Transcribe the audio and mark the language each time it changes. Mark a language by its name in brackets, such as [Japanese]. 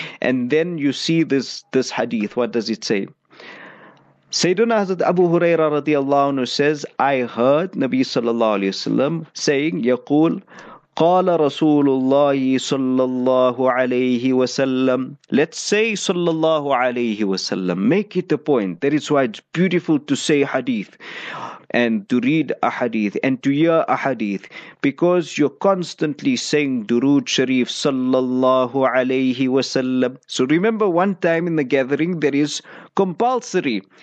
[English] And then you see this hadith, what does it say? Sayyiduna Hazrat Abu Huraira radiallahu anhu says, I heard Nabi sallallahu alayhi wa sallam saying, Yaqul, [Arabic] قال رسول الله صلى الله عليه وسلم. [English] Let's say [Arabic] صلى الله عليه وسلم. [English] Make it a point. That is why it's beautiful to say hadith and to read a hadith and to hear a hadith, because you're constantly saying durood sharif [Arabic] صلى الله عليه وسلم. [English] So remember, one time in the gathering there is compulsory.